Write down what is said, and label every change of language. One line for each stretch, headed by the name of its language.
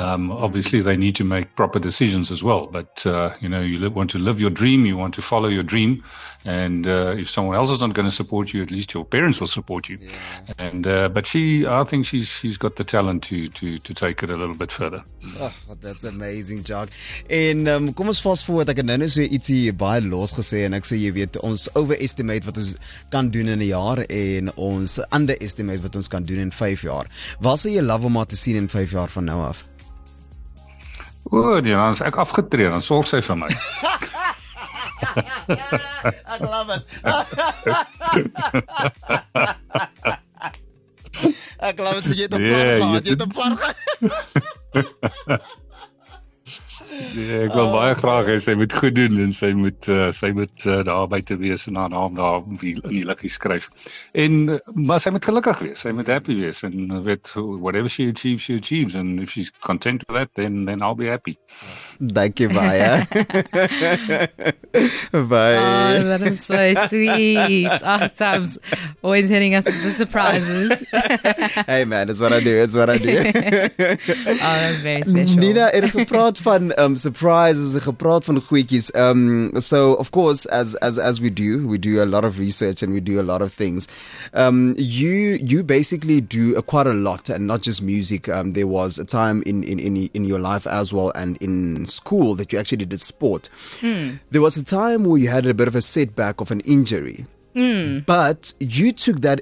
English: Obviously, they need to make proper decisions as well. But, you know, you want to live your dream, you want to follow your dream. And if someone else is not going to support you, at least your parents will support you. Yeah. And but she, I think she's got the talent to take it a little bit further. Oh, that's amazing, Jack. And
Afrikaans: kom ons
English: fast forward.
Afrikaans: Ek het nou net so ietsie baie los gesê, en ek sê, jy weet, ons overestimate wat ons kan doen in 'n jaar, en ons underestimate wat ons kan doen in 5 jaar. Waar sal jy love om haar te sien in 5 jaar van nou af? O, die man, as ek afgetree, dan sorg sy vir my. Ek love it. Ek love it, so jy het een plan gehad, jy het een plan gehad. Yeah, ek wil baie graag, en sy moet goed doen, en sy moet daar buiten wees, en haar naam daar in die liggie skryf. En, maar sy moet gelukkig wees, sy moet happy wees, en weet,
English: whatever she achieves, and if she's content with that, then I'll be happy.
Afrikaans: Dankie baie.
English: Bye. Oh, that is so sweet. Oh, Tam's always hitting us with the surprises. Hey man, it's what I do. Oh, that's very special.
Afrikaans: Nina, het gepraat van surprises, gepraat van goeikies.
English: So of course, as we do a lot of research and we do a lot of things. You basically do quite a lot, and not just music. There was a time in your life as well, and in school, that you actually did sport. There was a time where you had a bit of a setback of an injury, but you took that.